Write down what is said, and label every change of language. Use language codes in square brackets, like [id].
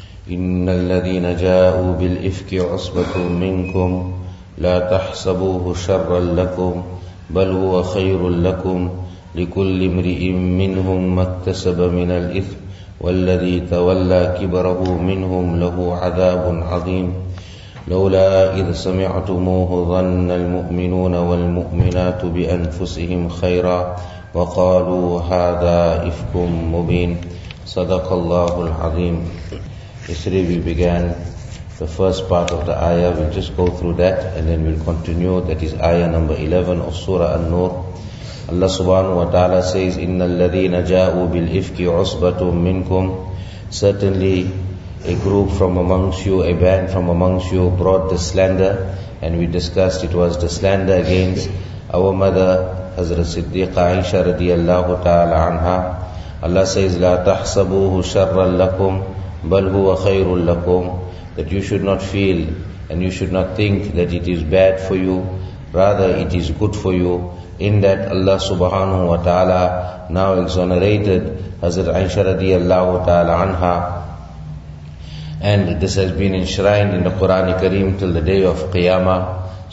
[ar] إن الذين جاءوا بالإفك عصبة منكم لا تحسبوه شرا لكم بل هو خير لكم لكل امرئ منهم ما اكتسب من الإثم والذي تولى كبره منهم له عذاب عظيم. لولا إذ سمعتموه ظن المؤمنون والمؤمنات بأنفسهم خيرا وقالوا هذا إفك مبين. صدق الله العظيم. [en] Yesterday we began the first part of the ayah. We'll just go through that and then we'll continue. That is ayah number 11 of Surah An-Nur. Allah subhanahu wa ta'ala says, [ar] إِنَّ الَّذِينَ جَاءُوا بِالْإِفْكِ عُصْبَةٌ مِّنْكُمْ. [en] Certainly a group from amongst you, a band from amongst you brought the slander, and we discussed it was the slander against our mother Hazrat Siddiqa Aisha radiallahu ta'ala anha. Allah says, [ar] لَا تَحْسَبُوهُ شَرًّا لَكُمْ بَلْ هُوَ خَيْرٌ لَكُمْ. [en] That you should not feel and you should not think that it is bad for you, rather it is good for you, in that Allah subhanahu wa ta'ala now exonerated Hazrat Aisha radiallahu ta'ala anha. And this has been enshrined in the Qur'an Kareem till the day of Qiyamah.